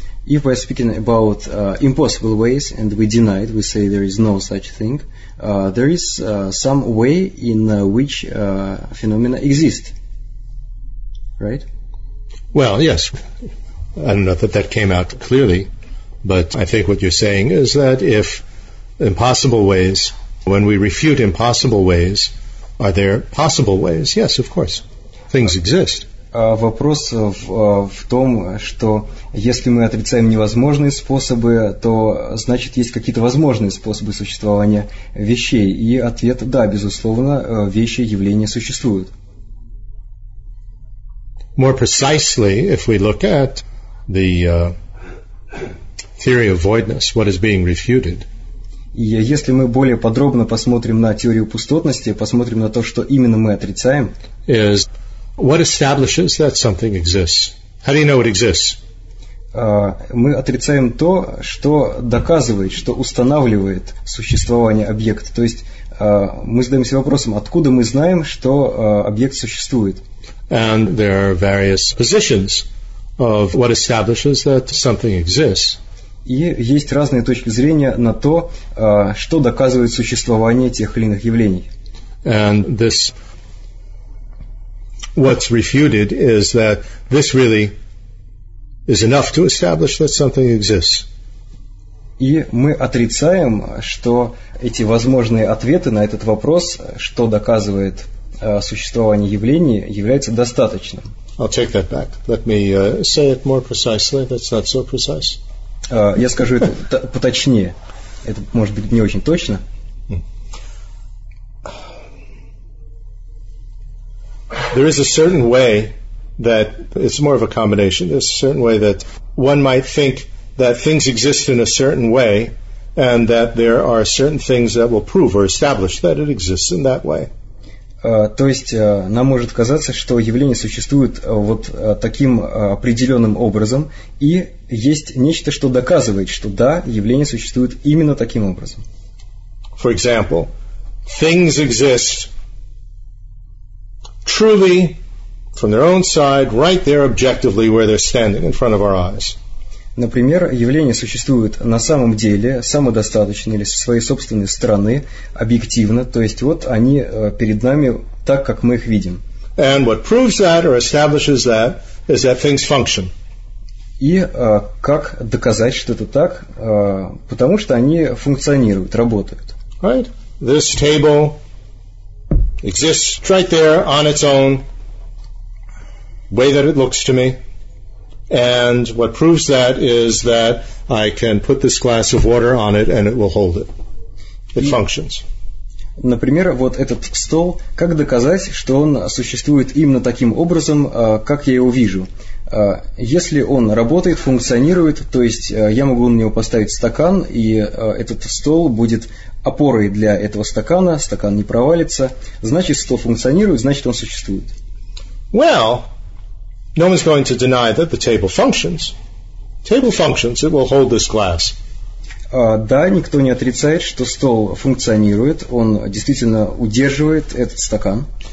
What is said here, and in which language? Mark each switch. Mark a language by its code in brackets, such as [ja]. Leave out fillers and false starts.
[en] If we are speaking about impossible ways and we deny it, we say there is no such thing, there is some way in which phenomena exist. Right? Well, yes. I don't know that that came out clearly. But I think what you're saying is that if impossible ways, when we refute impossible ways, are there possible ways? Yes, of course. Things exist. [ru] Вопрос в том, что если мы отрицаем невозможные способы, то значит есть какие-то возможные способы существования вещей. И ответ – да, безусловно, вещи, явления существуют. [en] More precisely, if we look at the theory of voidness, what is being refuted? [ru] И если мы более подробно посмотрим на теорию пустотности, посмотрим на то, что именно мы отрицаем, [en] is what establishes that something exists? How do you know it exists? [ru] Мы отрицаем то, что доказывает, что устанавливает существование объекта. То есть мы задаемся вопросом, откуда мы знаем, что объект существует? [en] And there are various positions of what establishes that something exists. [ru] И есть разные точки зрения на то, что доказывает существование тех или иных явлений. [en] And this, what's refuted is that this really is enough to establish that something exists. [ru] И мы отрицаем, что эти возможные ответы на этот вопрос, что доказывает существование явлений, является достаточным. [en] I'll take that back. Let me say it more precisely. That's not so precise. [ru] Я скажу это поточнее. Это может быть не очень точно. [en] There is a certain way that it's more of a combination. There's a certain way that one might think that things exist in a certain way, and that there are certain things that will prove or establish that it exists in that way. [ru] То есть нам может казаться, что явления существуют вот таким определенным образом, и есть нечто, что доказывает, что да, явления существуют именно таким образом. [en] For example, things exist truly from their own side, right there objectively where they're standing in front of our eyes. [ru] Например, явления существуют на самом деле, самодостаточно или со своей собственной стороны, объективно, то есть вот они перед нами так, как мы их видим. [en] And what proves that or establishes that is that things function. [ru] И как доказать, что это так? Потому что они функционируют, работают. [en] Right? This table exists right there on its own, way that it looks to me. And what proves that is that I can put this glass of water on it and it will hold it. It functions. [ru] Например, вот этот стол, как доказать, что он существует именно таким образом, как я его вижу? Если он работает, функционирует, то есть я могу на него поставить стакан, и этот стол будет опорой для этого стакана, стакан не провалится, значит, стол функционирует, значит, он существует. [en] Well, no one's going to deny that the table functions. Table functions, it will hold this glass. [ru] Да, никто не отрицает, что стол функционирует, он действительно удерживает этот стакан.